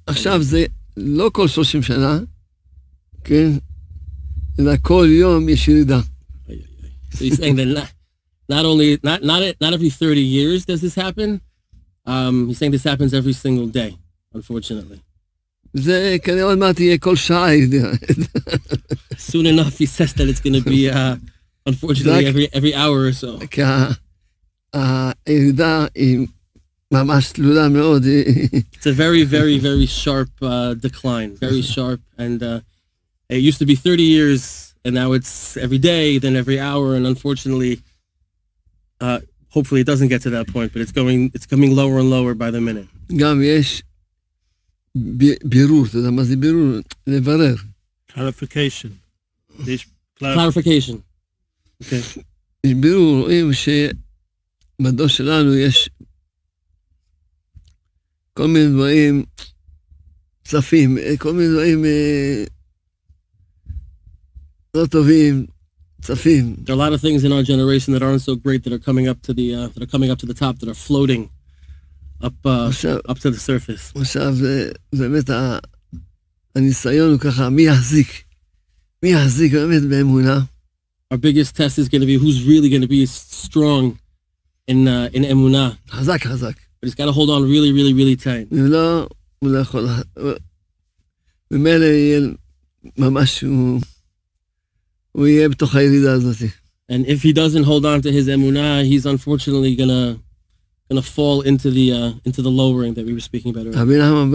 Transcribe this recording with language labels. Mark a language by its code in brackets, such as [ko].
[he] עכשיו זה לא כל 30 שנה, כן? אלא כל יום יש ירידה. [en] So you're saying that not every 30 years does this happen? He's saying this happens every single day, unfortunately. [he] זה כנראה עוד מעט יהיה כל שעה ירידה. [en] Soon enough, he says that it's going to be, unfortunately, every hour or so. [he] כי הירידה היא... ממש תלולה מאוד. [en] It's a very, very, very sharp decline. Very sharp. And it used to be 30 years, and now it's every day, then every hour. And unfortunately, hopefully it doesn't get to that point, but it's coming lower and lower by the minute. [he] גם יש בירור. אתה יודע מה זה בירור? לברר. [en] Clarification. Clarification. Okay. [he] יש בירור, רואים שמדו שלנו יש... כל מיני דברים צפים, כל מיני דברים לא טובים, צפים. [en] There are a lot of things in our generation that aren't so great that are coming up to the that are coming up to the top, that are floating up up to the surface. [he] עכשיו זה באמת הניסיון הוא ככה, מי יחזיק? מי יחזיק באמת באמונה? [en] Our biggest test is going to be who's really going to be strong in emuna. [he] חזק, חזק. [en] But he's got to hold on really, really, really tight. And if he doesn't hold on to his emunah, he's unfortunately gonna fall into the lowering that we were speaking about earlier.